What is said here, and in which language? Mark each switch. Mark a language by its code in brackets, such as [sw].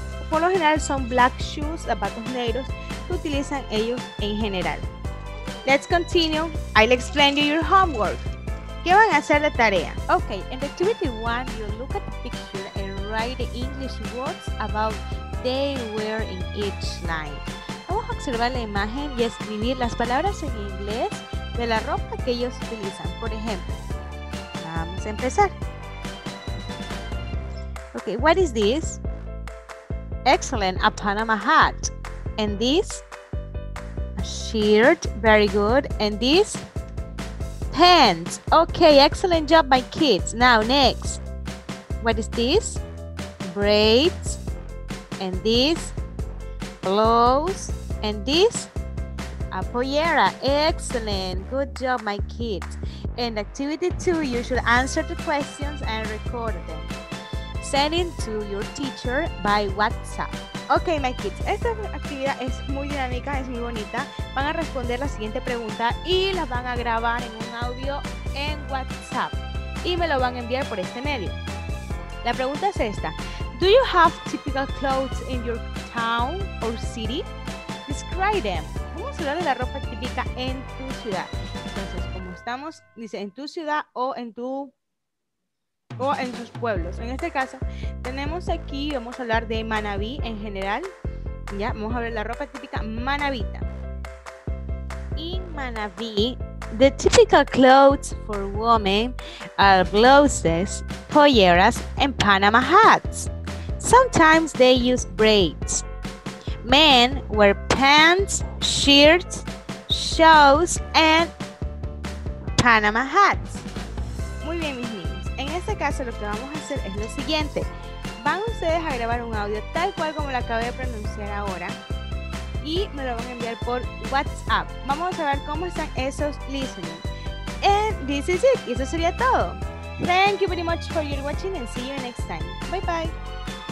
[es] Por lo general son [en] black shoes, [es] zapatos negros, que utilizan ellos en general. [en] Let's continue. I'll explain to you your homework. [es] ¿Qué van a hacer de tarea? [en] Ok, en activity 1, you look at the picture and write the English words about they wear in each line. [es] Vamos a observar la imagen y escribir las palabras en inglés de la ropa que ellos utilizan. Por ejemplo, vamos a empezar. [en] Ok, what is this? Excellent, a Panama hat. And this? A shirt, very good. And this? Pants. Ok, excellent job, my kids. Now, next. What is this? Braids. And this? Blouse. And this, a pollera. Excellent. Good job, my kids. And activity 2, you should answer the questions and record them. Send it to your teacher by WhatsApp. Ok, my kids. [es] Esta actividad es muy dinámica, es muy bonita. Van a responder la siguiente pregunta y la van a grabar en un audio en WhatsApp. Y me lo van a enviar por este medio. La pregunta es esta. [en] Do you have typical clothes in your town or city? Describe them. [es] Vamos a hablar de la ropa típica en tu ciudad. Entonces, como estamos, dice en tu ciudad o en sus pueblos. En este caso, tenemos aquí, vamos a hablar de Manabí en general. Ya, vamos a hablar de la ropa típica manabita. [en] In Manabí, the typical clothes for women are blouses, polleras, and Panama hats. Sometimes they use braids. Men wear pants, shirts, shoes, and Panama hats. [es] Muy bien, mis niños. En este caso, lo que vamos a hacer es lo siguiente. Van ustedes a grabar un audio tal cual como lo acabo de pronunciar ahora y me lo van a enviar por WhatsApp. Vamos a ver cómo están esos listening. [en] And this is it. [es] Y eso sería todo. [en] Thank you very much for your watching and see you next time. Bye, bye.